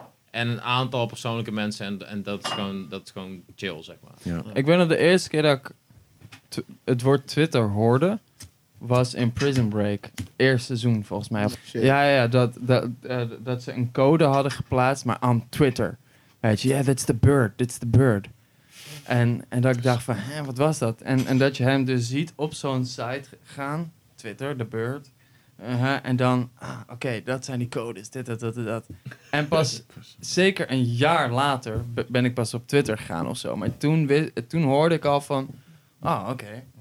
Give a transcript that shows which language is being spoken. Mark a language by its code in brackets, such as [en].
[nl] en een aantal persoonlijke mensen. En dat is gewoon chill, zeg maar. Ja. Ik weet nog de eerste keer dat ik het woord Twitter hoorde, was in Prison Break. Eerste seizoen, volgens mij. Shit. Ja, ja, dat ze een code hadden geplaatst, maar aan Twitter. [en] Weet je, yeah, that's the bird, that's the bird. [nl] En dat ik dacht van, hé, wat was dat? En dat je hem dus ziet op zo'n site gaan, Twitter, the bird. En dan, oké, dat zijn die codes, dat. En pas zeker een jaar later ben ik pas op Twitter gegaan of zo. Maar toen hoorde ik al van, oké.